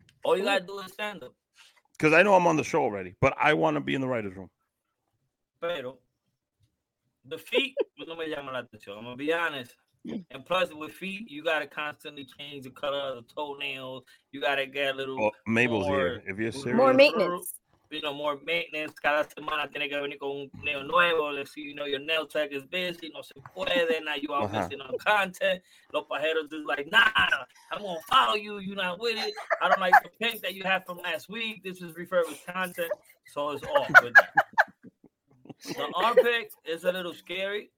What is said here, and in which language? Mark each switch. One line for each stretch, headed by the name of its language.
English: All you got to do is stand-up. Because I know I'm on the show already, but I want to be in the writer's room.
Spanish: Pero,
English: the feet,
Spanish: no me llama la atención.
English: I'm going to be honest. And plus, with feet, you got to constantly change the color of the toenails. You got to get a little Mabel's more, here, if you're serious. More maintenance. You know, more maintenance.
Spanish: Cada semana tiene que venir con un nail nuevo.
English: Let's see, you know, your nail tech is busy.
Spanish: No se puede.
English: Now you are missing on content.
Spanish: Los pajeros
English: is like, nah, I'm going to follow you. You're not with it. I don't like the pink that you had from last week. This is refurbished content. So it's off with that. The armpit is a little scary.